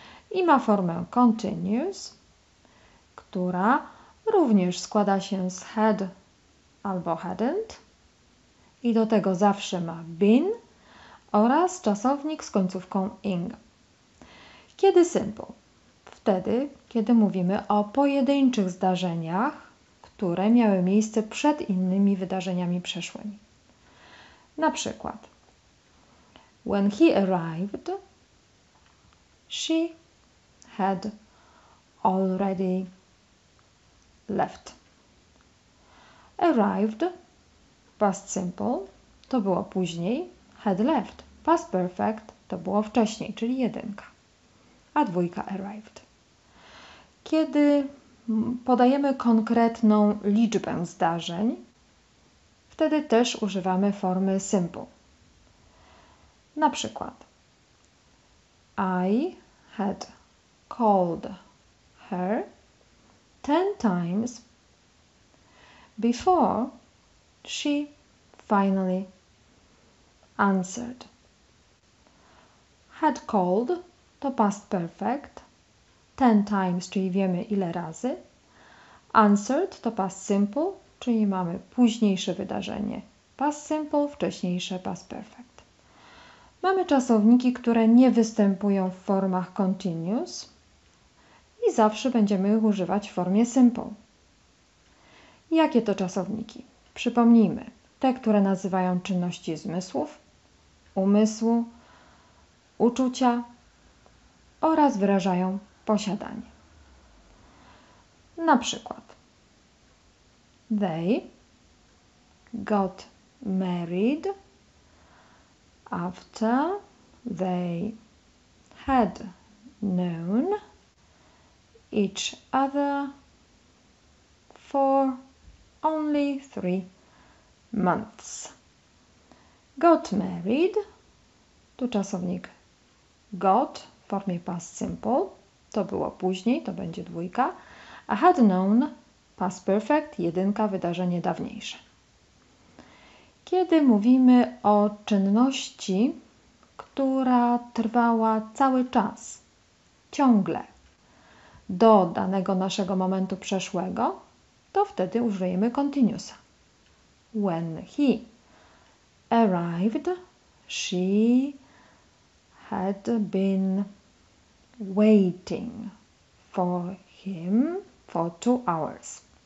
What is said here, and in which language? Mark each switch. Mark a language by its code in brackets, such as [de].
[pl] I ma formę continuous, która również składa się z had albo hadn't i do tego zawsze ma been oraz czasownik z końcówką ing. Kiedy simple? Wtedy, kiedy mówimy o pojedynczych zdarzeniach, które miały miejsce przed innymi wydarzeniami przeszłymi. Na przykład, [en] when he arrived, she had already left. Arrived, past simple, [pl] to było później, [en] had left. [pl] Past perfect to było wcześniej, czyli jedynka. A dwójka arrived. Kiedy podajemy konkretną liczbę zdarzeń, wtedy też używamy formy simple. Na przykład [en] I had called her 10 times before she finally answered. Had called to past perfect, 10 times, [pl] czyli wiemy ile razy. Answered to past simple, czyli mamy późniejsze wydarzenie past simple, wcześniejsze past perfect. Mamy czasowniki, które nie występują w formach continuous i zawsze będziemy ich używać w formie simple. Jakie to czasowniki? Przypomnijmy, te, które nazywają czynności zmysłów, umysłu, uczucia oraz wyrażają posiadanie. Na przykład, [en] they got married after they had known each other for only 3 months. [pl] Got married, tu czasownik got w formie past simple, to było później, to będzie dwójka, a had known, past perfect, jedynka, wydarzenie dawniejsze. Kiedy mówimy o czynności, która trwała cały czas, ciągle, do danego naszego momentu przeszłego, to wtedy użyjemy continuousa. [en] When he arrived, she had been waiting for him for 2 hours.